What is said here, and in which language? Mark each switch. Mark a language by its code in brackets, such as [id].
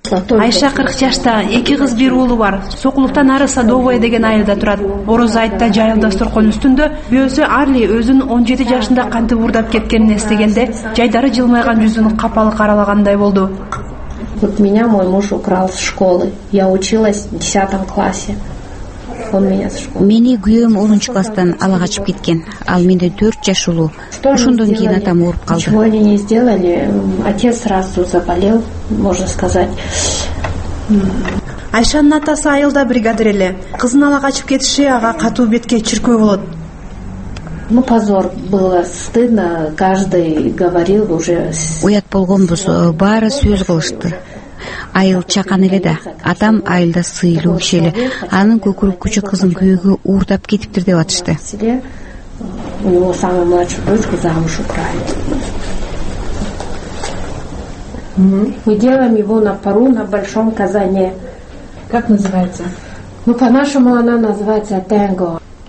[ky] Айша 40 жашта, 2 кыз, 1 уулу бар. Сокулуктан ары Садовая деген айылда турат. Орозо айтта жайыл дасторкон үстүндө бөөсү Арли өзүн 17 жашында кантип уурдап кеткенин эстегенде жайдары жылмайган жүзүн капалы каралагандай болду. [ru] Вот меня мой муж украл с школы. Я училась в 10 классе. [ky] Мени күйөөм 10 класстан ала качып кеткен. Ал менде 4 жаш улуу. Ошондон кийин атам ооруп калды. [ru] Чего они не сделали? Отец сразу заболел, можно сказать. [ky] Айшанын атасы айылда бригадир эле. Кызын ала качып кетиши ага катуу бетке чиркөө болот. [ru] Ну, позор было, стыдно, каждый говорил уже. [ky] Уят болгонбуз, баары сөз кылышты. Айыл чакан эле да, атам айылда сыйлуу киши эле. Анын көкүрүкчү кызын күйөөгө уурдап кетиптир деп атышты. [ru] У него самый младший дочка замуж украли. Мы делаем его на пару на большом казане. Как называется? Ну, по-нашему она называется тенго.